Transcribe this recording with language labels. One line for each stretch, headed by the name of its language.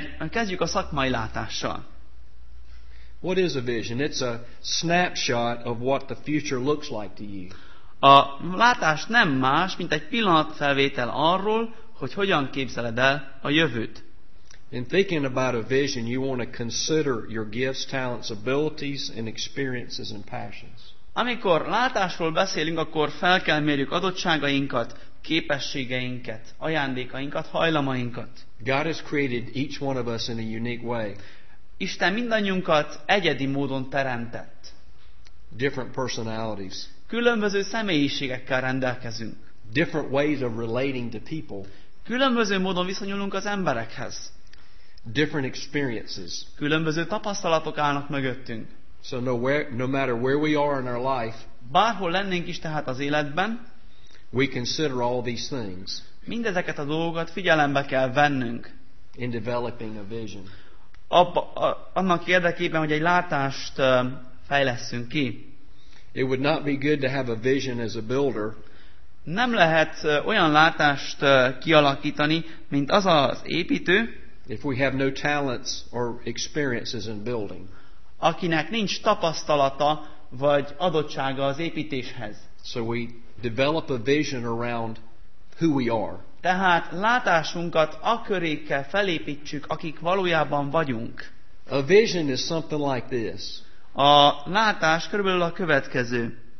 Hungarian: Kezdjük a szakmai látással.
English: What is a vision? It's a snapshot of what the future looks like to you.
Hungarian: A látás nem más, mint egy pillanatfelvétel arról, hogy hogyan képzeled el a jövőt.
English: In thinking about a vision, you want to consider your gifts, talents, abilities, and experiences and passions.
Hungarian: Amikor látásról beszélünk, akkor fel kell mérjük adottságainkat, képességeinket, ajándékainkat, hajlamainkat.
English: God has created each one of us in a unique way.
Hungarian: Isten mindannyiunkat egyedi módon teremtett.
English: Different personalities.
Hungarian: Különböző személyiségekkel rendelkezünk.
English: Different ways of relating to people.
Hungarian: Különböző módon viszonyulunk az emberekhez.
English: Different experiences.
Hungarian: Különböző tapasztalatok állnak mögöttünk.
English: So no matter where we are in our life,
Hungarian: bárhol lennénk is tehát az életben,
English: we consider all these things.
Hungarian: Mindezeket a dolgokat figyelembe kell vennünk.
English: In developing a vision.
Hungarian: Annak érdekében, hogy egy látást fejlesszünk ki.
English: It would not be good to have a vision as a builder.
Hungarian: Nem lehet olyan látást kialakítani, mint az az építő,
English: if we have no talents or experiences in building.
Hungarian: Akinek nincs tapasztalata vagy adottsága az építéshez.
English: So we develop a vision around who we are.
Hungarian: Tehát látásunkat aköré kell felépítsük, akik valójában vagyunk.
English: A vision is something like this.
Hungarian: A látás körülbelül a következő.